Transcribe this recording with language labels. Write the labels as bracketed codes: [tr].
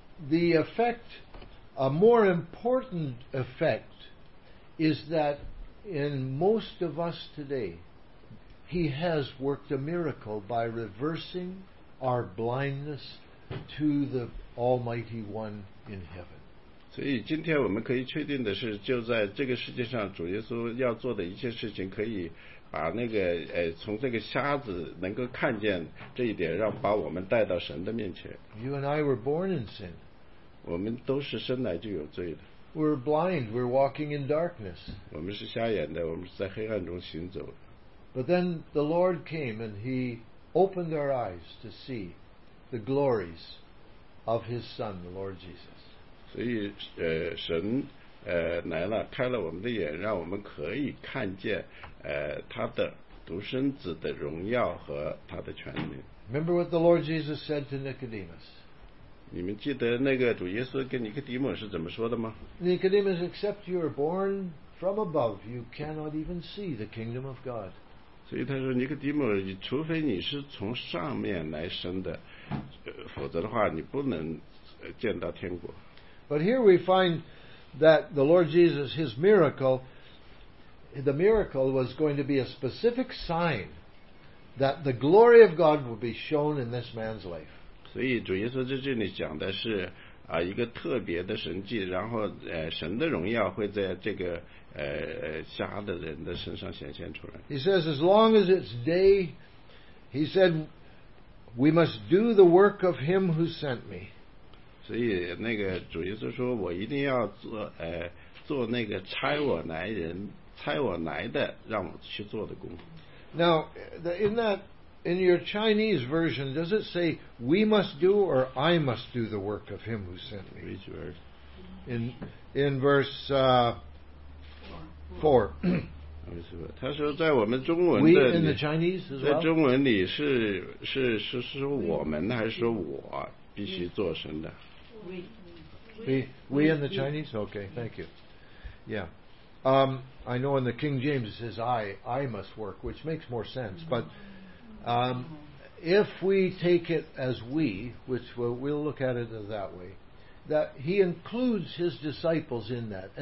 [en] The effect, a more important effect, is that in most of us today, he has worked a miracle by reversing our blindness to the Almighty One in heaven. [zh] 所以今天我们可以确定的是，就在这个世界上，主耶稣要做的一切事情，可以把那个从这个瞎子能够看见这一点，让把我们带到神的面前。 [en] You and I were born in sin. [zh] 我们都是生来就有罪的。 [en] We're blind. We're walking in darkness. [zh] 我们是瞎眼的，我们是在黑暗中行走的。 [en] But then the Lord came and He opened our eyes to see the glories of His Son, the Lord Jesus. [zh] 所以，神来了，开了我们的眼，让我们可以看见他的独生子的荣耀和他的权柄。 [en] Remember what the Lord Jesus said to Nicodemus. [zh] 你们记得那个主耶稣跟尼哥底母是怎么说的吗？ [en] Nicodemus, except you are born from above you cannot even see the kingdom of God. [zh] 所以他说尼哥底母，除非你是从上面来生的，否则的话你不能见到天国。 [en] But here we find that the Lord Jesus, his miracle, the miracle was going to be a specific sign that the glory of God would be shown in this man's life. [zh] 所以主耶稣在这里讲的是啊一个特别的神迹，然后神的荣耀会在这个瞎的人的身上显现出来。 [en] He says, as long as it's day, he said, we must do the work of him who sent me. [zh] 所以那个主耶稣说，我一定要做那个差我来的，让我去做的工。 [en] Now, in that, in your Chinese version, does it say we must do or I must do the work of him who sent me? Which verse? In verse. Four. [zh] 他说在我们中文的 [en] we in the Chinese as well? [zh] 在中文里是说我们还是说我必须做神的 [en] we in the Chinese? Okay, thank you. Yeah. I know in the King James it says I must work, which makes more sense. But if we take it as we, which we'll look at it that way, that he includes his disciples in that.